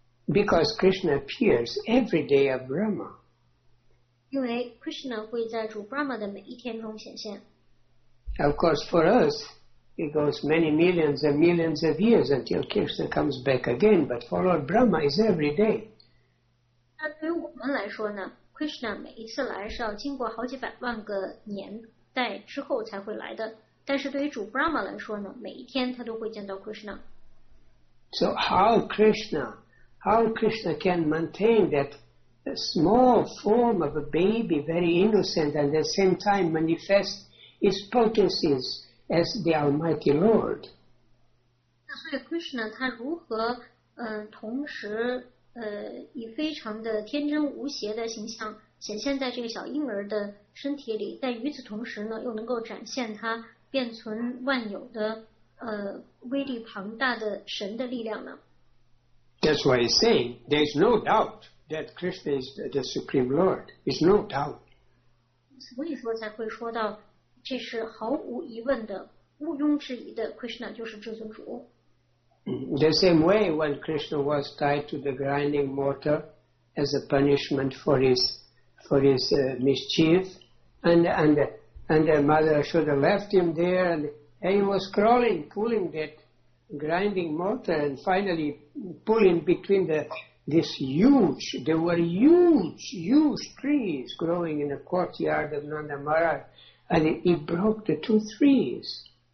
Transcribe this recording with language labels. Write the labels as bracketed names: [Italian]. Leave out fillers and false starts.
[English] Because Krishna appears every day of Brahma. [Chinese] 因为 Krishna 会在主 Brahma 的每一天中显现。 [English] Of course, for us, it goes many millions and millions of years until Krishna comes back again, but for Lord Brahma, it's every day. [Chinese] 那对于我们来说呢 ，Krishna 每一次来是要经过好几百万个年代之后才会来的。但是对于主 Brahma 来说呢，每一天他都会见到 Krishna。 [English] So how Krishna can maintain that small form of a baby, very innocent, and at the same time manifest his potencies as the Almighty Lord？ [Chinese] 那所以 Krishna 他如何同时？以非常的天真无邪的形象显现在这个小婴儿的身体里，但与此同时呢，又能够展现他变存万有的威力庞大的神的力量呢。 [English] That's why he's saying there is no doubt that Krishna is the supreme Lord. It's no doubt. [Chinese] 所以说才会说到，这是毫无疑问的、毋庸置疑的 ，Krishna 就是至尊主。 [English] The same way when Krishna was tied to the grinding mortar as a punishment for his mischief, and the mother should have left him there, and he was crawling, pulling that grinding mortar, and finally pulling between there were huge trees growing in the courtyard of Nanda Maharaj, and he broke the two trees.